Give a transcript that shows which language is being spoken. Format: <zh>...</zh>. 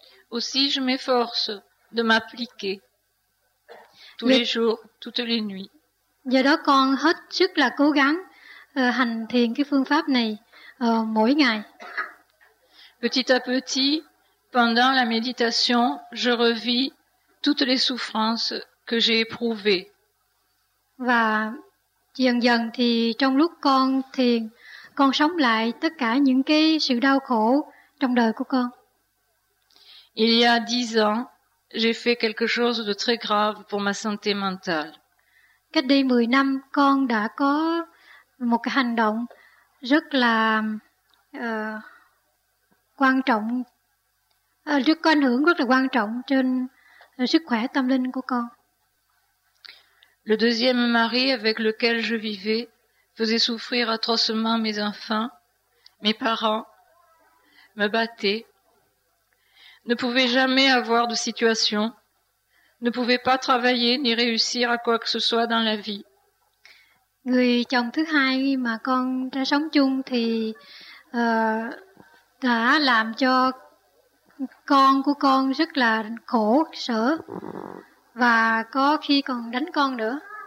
<fr>Aussi, je m'efforce de m'appliquer. Tous les jours, toutes les nuits.</fr> <vi>Giờ đó con hết sức là cố gắng hành thiền cái phương pháp này mỗi ngày.</vi> <fr>Petit à petit, pendant la méditation, je revis toutes les souffrances que j'ai éprouvées.</fr> <vi>Và dần dần thì trong lúc con thiền, con sống lại tất cả những cái sự đau khổ trong đời của con.</vi> <fr>Il y a 10 ans, j'ai fait quelque chose de très grave pour ma santé mentale.</fr> <vi>Cách đây 10 năm, con đã có một cái hành động rất là quan trọng, rất có ảnh hưởng rất là quan trọng trên sức khỏe tâm linh của con.</vi> <fr>Le deuxième mari avec lequel je vivais faisait souffrir atrocement mes enfants, mes parents, me battaient. Ne pouvait jamais avoir de situation, ne pouvait pas travailler ni réussir à quoi que ce soit dans la vie.</fr> <vi>Người chồng thứ hai mà con đã sống chung thì đã làm cho con của con rất là khổ sở và có khi còn đánh con nữa.</vi>